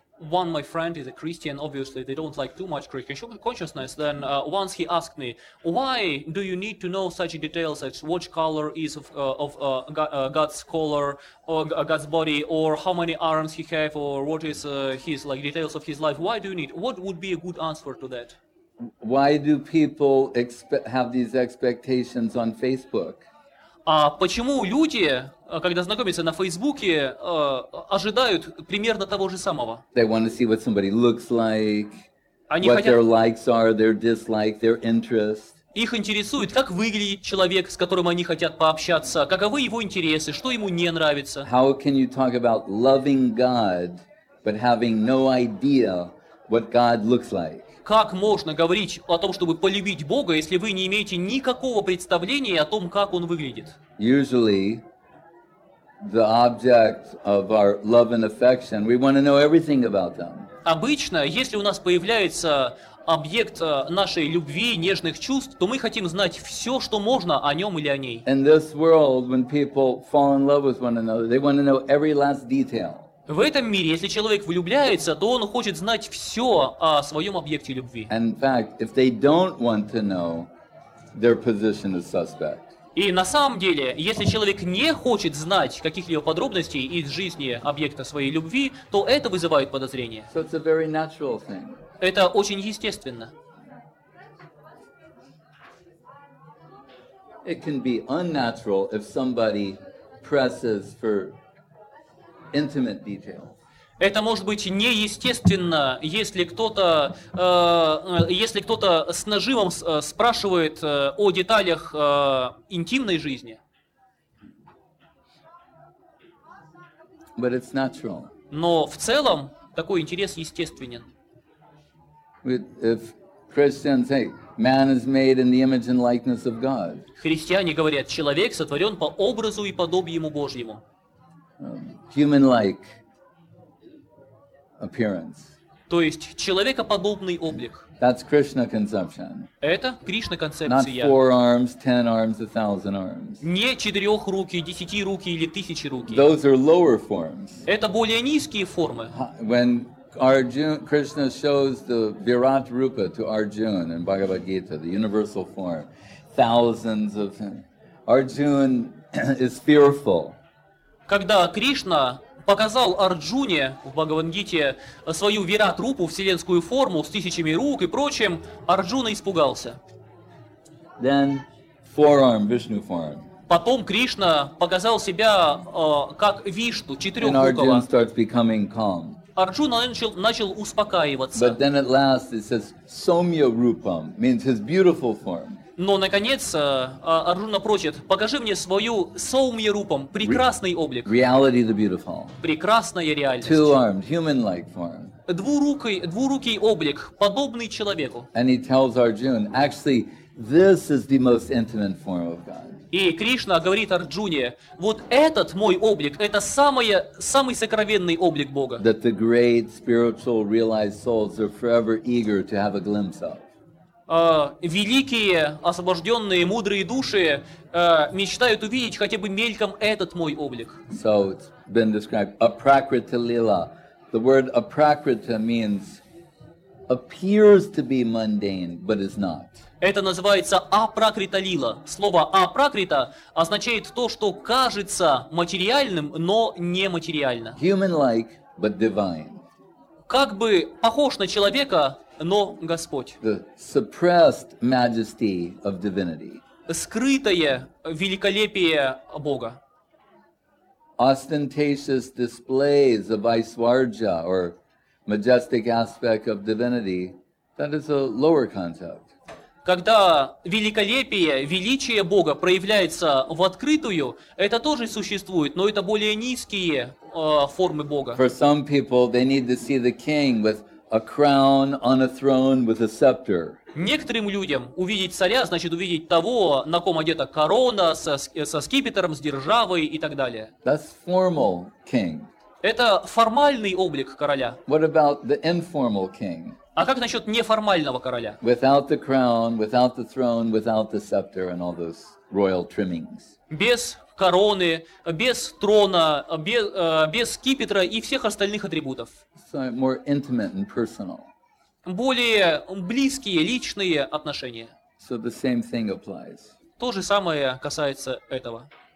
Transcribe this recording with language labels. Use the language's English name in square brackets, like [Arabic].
[English] One my friend is a Christian, obviously they don't like too much Christian consciousness, then once he asked me, why do you need to know such details as what color is God's color or God's body, or how many arms he have, or what is his like details of his life, why do you need, what would be a good answer to that? Why do people have these expectations on Facebook? [Russian] А почему люди, когда знакомятся на Фейсбуке, ожидают примерно того же самого? [English] They want to see what somebody looks like, what their likes are, their dislikes, their interests. [Russian] Их интересует, как выглядит человек, с которым они хотят пообщаться, каковы его интересы, что ему не нравится. [English] How can you talk about loving God, but having no idea what God looks like? [Russian] Как можно говорить о том, чтобы полюбить Бога, если вы не имеете никакого представления о том, как Он выглядит? [English] Usually, the object of our love and affection, we want to know everything about them. [Russian] Обычно, если у нас появляется объект нашей любви, нежных чувств, то мы хотим знать все, что можно о нем или о ней. [English] In this world, when people fall in love with one another, they want to know every last detail. [Russian] В этом мире, если человек влюбляется, то он хочет знать все о своем объекте любви. [English] In fact, if they don't want to know, their position is suspect. [Russian] И на самом деле, если человек не хочет знать каких-либо подробностей из жизни объекта своей любви, то это вызывает подозрение. [English] So it's a very natural thing. [Russian] Это очень естественно. [English] It can be unnatural if somebody presses for intimate details. [Russian] Это может быть неестественно, если кто-то с нажимом спрашивает о деталях интимной жизни. [English] But it's natural. [Russian] Но в целом такой интерес естественен. [English] If Christians say, man is made in the image and likeness of God. [Russian] Христиане говорят, человек сотворен по образу и подобию Божьему. [English] Human-like appearance. [Russian] То есть человекоподобный облик. [English] That's Krishna conception. [Russian] Это Кришна концепция. [English] Not four arms, ten arms, a thousand arms. [Russian] Не четырех руки, десяти руки или тысячи руки. [English] Those are lower forms. [Russian] Это более низкие формы. [English] When Krishna shows the Virat Rupa to Arjuna in Bhagavad Gita, the universal form, thousands of him. Arjuna is fearful. [Russian] Когда Кришна показал Арджуне в Бхагавад-гите свою вират-рупу, вселенскую форму с тысячами рук и прочим, Арджуна испугался. [English] Then forearm, Vishnu form. [Russian] Потом Кришна показал себя как Вишну, четырехрукого. [English] And Arjuna starts becoming calm. [Russian] Арджуна начал успокаиваться. [English] But then at last it says Somya-rupam, means his beautiful form. [Russian] Но, наконец, Арджуна просит, покажи мне свою соумья-рупам, прекрасный облик. [English] Reality the beautiful. [Russian] Прекрасная реальность. [English] Two arms, human-like form. [Russian] Двурукий облик, подобный человеку. [English] And he tells Arjuna, actually, This is the most intimate form of God. [Russian] И Кришна говорит Арджуне: вот этот мой облик, это самый сокровенный облик Бога. [English] That the great spiritual realized souls are forever eager to have a glimpse of. [Russian] Великие освобожденные мудрые души мечтают увидеть хотя бы мельком этот мой облик. [English] So it's been described aprakrita lila. The word aprakrita means appears to be mundane, but is not. [Russian] Это называется апракрита лила. Слово апракрита означает то, что кажется материальным, но не материально. [English] Human-like, but divine. [Russian] Как бы похож на человека, но Господь. [English] The suppressed majesty of divinity. [Russian] Скрытое великолепие Бога. [English] Ostentatious displays of Aishwarya or majestic aspect of divinity, that is a lower concept. [Russian] Когда великолепие, величие Бога проявляется в открытую, это тоже существует, но это более низкие формы Бога. [English] For some people, they need to see the king with a crown on a throne with a scepter. [Russian] Некоторым людям увидеть царя значит увидеть того, на ком одета корона со скипетром, с державой и так далее. [English] That's formal king. [Russian] Это формальный облик короля. [English] What about the informal king? [Russian] А как насчет неформального короля? [English] Without the crown, without the throne, without the scepter and all those royal trimmings. [Russian] Без короны, без трона, без скипетра и всех остальных атрибутов. [English] So more intimate and personal. [Russian] Более близкие личные отношения. [English] So the same thing applies. [Russian] То же самое касается этого.